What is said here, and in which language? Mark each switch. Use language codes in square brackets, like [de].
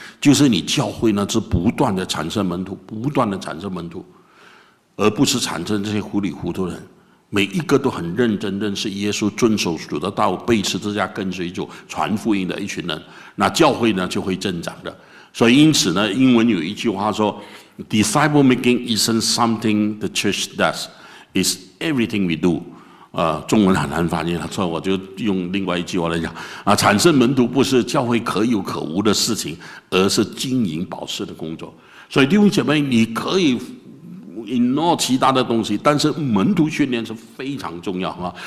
[zh] 就是你教会呢是不断的产生门徒，不断的产生门徒，而不是产生这些糊里糊涂人。每一个都很认真认识耶稣，遵守主的道，背持之下跟随主传福音的一群人，那教会呢就会增长的。所以因此呢，英文有一句话说 [en] Disciple making isn't something the church does, it's everything we do。 [zh] 中文很难翻译，所以我就用另外一句话来讲啊，产生门徒不是教会可有可无的事情，而是经营保持的工作。所以弟兄姐妹，你可以ignore 其他的东西，但是门徒训练是非常重要啊！